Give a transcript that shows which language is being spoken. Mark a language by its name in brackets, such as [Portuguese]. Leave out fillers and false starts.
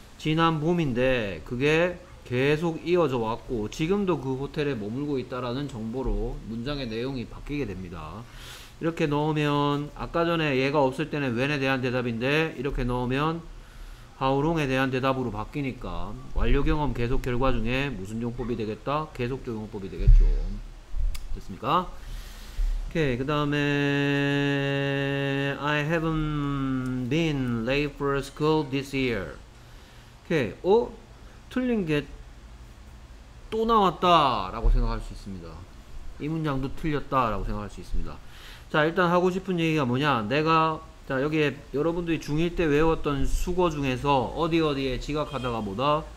[Korean] 지난 봄인데 그게 계속 이어져 왔고 지금도 그 호텔에 머물고 있다라는 정보로 문장의 내용이 바뀌게 됩니다. 이렇게 넣으면 아까 전에 얘가 없을 때는 when에 대한 대답인데 이렇게 넣으면 how long에 대한 대답으로 바뀌니까 완료 경험 계속 결과 중에 무슨 용법이 되겠다? 계속적 용법이 되겠죠. 됐습니까? 오케이. 그 다음에 [English] I haven't been late for school this year. [Korean] 오케이. 어? 틀린 게또 나왔다라고 생각할 수 있습니다. 이 문장도 틀렸다라고 생각할 수 있습니다. 자, 일단 하고 싶은 얘기가 뭐냐? 내가 자, 여기에 여러분들이 중1 때 외웠던 숙어 중에서 어디 어디에 지각하다가 뭐다?